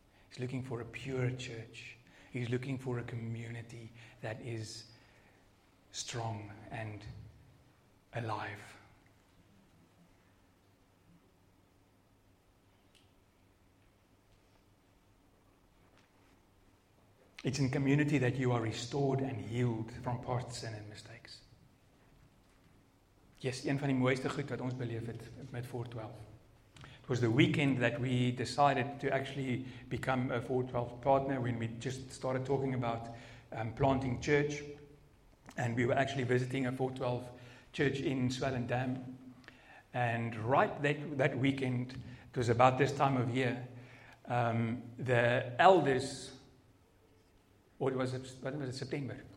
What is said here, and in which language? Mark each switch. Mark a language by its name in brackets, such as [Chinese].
[English] He's looking for a pure church. He's looking for a community that is strong and alive. It's in community that you are restored and healed from past sin and mistakes. [Afrikaans] Yes, een van die mooiste goed wat ons beleef het met 412. [English] It was the weekend that we decided to actually become a 412 partner when we just started talking about planting church. And we were actually visiting a 412 church in Swellendam. And right that weekend, it was about this time of year, the elders, or was it September?